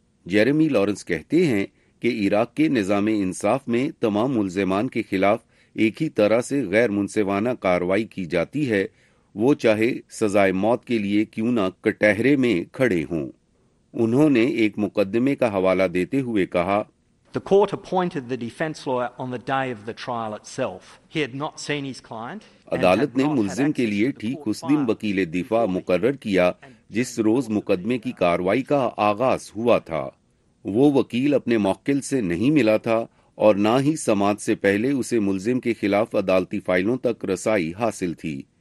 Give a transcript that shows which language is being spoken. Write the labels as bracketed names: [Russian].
[Urdu] Jeremy Lawrence کہتے ہیں کہ عراق کے نظام انصاف میں تمام ملزمان کے خلاف ایک ہی طرح سے غیر منصفانہ کارروائی کی جاتی ہے, وہ چاہے سزائے موت کے لیے کیوں نہ کٹہرے میں کھڑے ہوں. انہوں نے ایک مقدمے کا حوالہ دیتے ہوئے کہا [English] The court appointed the defense lawyer on the day of the trial itself. He had not seen his client. [Urdu] عدالت نے ملزم کے لیے ٹھیک اس دن وکیل دفاع مقرر کیا جس روز مقدمے کی کارروائی کا آغاز ہوا تھا. وہ وکیل اپنے موکل سے نہیں ملا تھا اور نہ ہی سماعت سے پہلے اسے ملزم کے خلاف عدالتی فائلوں تک رسائی حاصل تھی.